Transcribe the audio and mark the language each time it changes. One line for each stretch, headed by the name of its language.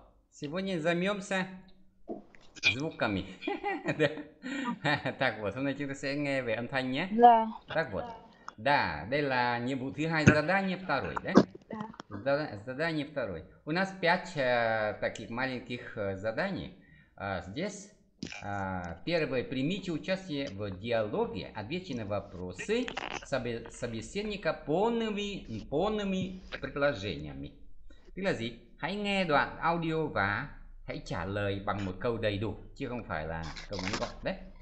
Russian: Сегодня займемся звуками. Так вот,
Vietnamese: hôm nay chúng ta sẽ nghe về âm thanh nhé.
Russian: Да. Так вот.
Vietnamese: Да, đây là nhiệm vụ thứ hai,
Russian: задание второе, да? Да. Задание второе. У нас пять таких маленьких заданий. Здесь первое, примите участие в диалоге, ответьте на вопросы собеседника полными предложениями.
Vietnamese: Tức là gì? Hãy nghe đoạn audio và hãy trả lời bằng một câu đầy đủ, chứ không phải là câu ngắn gọn đấy.